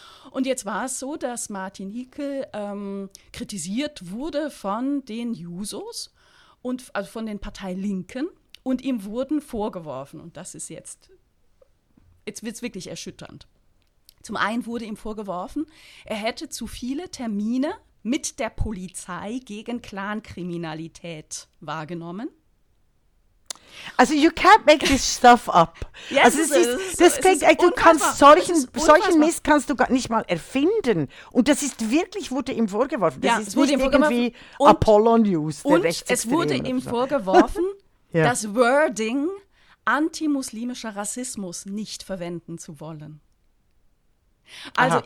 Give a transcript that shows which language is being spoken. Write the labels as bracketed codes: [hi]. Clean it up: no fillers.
[de] Und jetzt war es so, dass Martin Hiekel kritisiert wurde von den Jusos, und also von den Parteilinken. Und ihm wurden vorgeworfen, und das ist jetzt, jetzt wird es wirklich erschütternd. Zum einen wurde ihm vorgeworfen, er hätte zu viele Termine mit der Polizei gegen Clankriminalität wahrgenommen. [en] Also you can't make this stuff up. [de] Yes, also es ist du kannst solchen Mist kannst du gar nicht mal erfinden. Und das ist wirklich, wurde ihm vorgeworfen. Das ja, ist wurde nicht irgendwie und, Apollo News, der Rechtsextreme. Und es wurde ihm vorgeworfen, ja. das Wording antimuslimischer Rassismus nicht verwenden zu wollen. Also Aha.